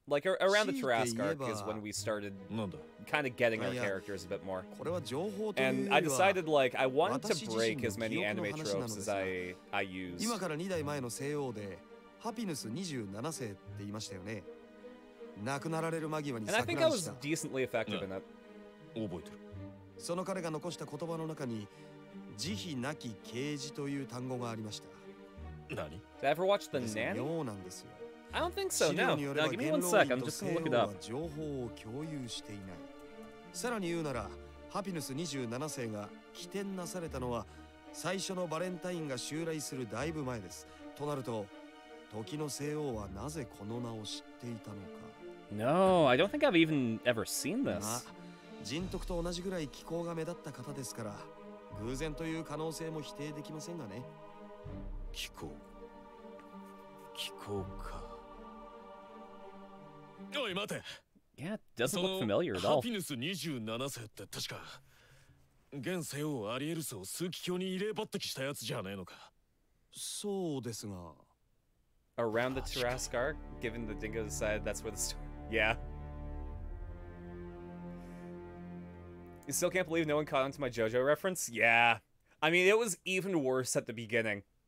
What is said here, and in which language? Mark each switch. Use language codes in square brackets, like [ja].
[en] Like, around the Tarrasque arc is when we started kind of getting our characters a bit more. And I decided, like, I wanted to break as many anime tropes as I used. And I think I was decently effective in it. [ja] その彼が残した言葉の中に慈悲なき啓示という単語がありました。何？ [en] Did I ever watch The Nanny? I don't think so, no. Now, give me one sec, I'm just gonna look it up. [ja] 情報を共有していない。さらに言うなら、ハピヌス27世が起点なされたのは最初のバレンタインが襲来するだいぶ前です。となると、時の聖王はなぜこの名を知っていたのか。 [en] No, I don't think I've even ever seen this. [ja] 人徳と同じぐらい気候が目立った方ですから、偶然という可能性も否定できませんがね。気候、気候か。おい待て。 [en] Yeah, doesn't look familiar at all. [ja] ハピヌス27世って確か現世王アリエルスを枢機卿に入れ抜擢したやつじゃねえのか。そうですが。 [en] Around the Tarrasque arc, given the Dingo decided that's where the story. Yeah. You still can't believe no one caught on to my JoJo reference? Yeah. I mean, it was even worse at the beginning.